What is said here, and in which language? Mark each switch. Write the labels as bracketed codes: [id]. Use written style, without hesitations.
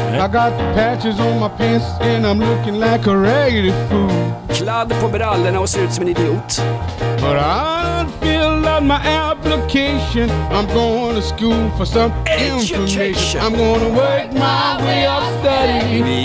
[en] I got patches on my pants and I'm looking like a ragged fool. [sv] Kladd på brallorna och ser ut som en idiot. [en] But I filled out my application. I'm going to school for some education. I'm going to work my way up steady.